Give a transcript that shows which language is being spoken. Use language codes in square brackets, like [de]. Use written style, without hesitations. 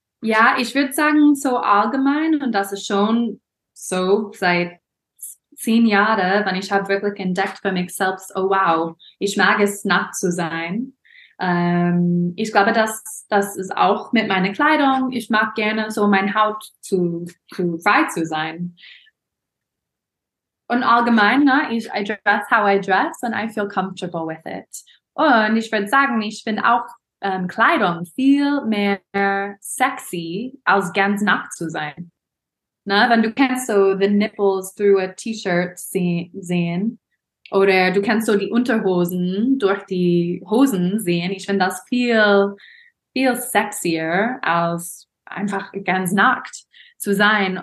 [de] Ja, ich würde sagen, so allgemein, und das ist schon so seit 10 Jahren, wenn ich habe wirklich entdeckt für mich selbst, oh wow, ich mag es, nackt zu sein. Ich glaube, das ist auch mit meiner Kleidung. Ich mag gerne so meine Haut zu frei zu sein. Und allgemein, ne, [en] I dress how I dress and I feel comfortable with it. [de] Und ich würde sagen, ich finde auch Kleidung viel mehr sexy als ganz nackt zu sein. Na, wenn du kannst so [en] the nipples through a t-shirt [de] sehen oder du kannst so die Unterhosen durch die Hosen sehen, ich finde das viel, viel sexier als einfach ganz nackt zu sein.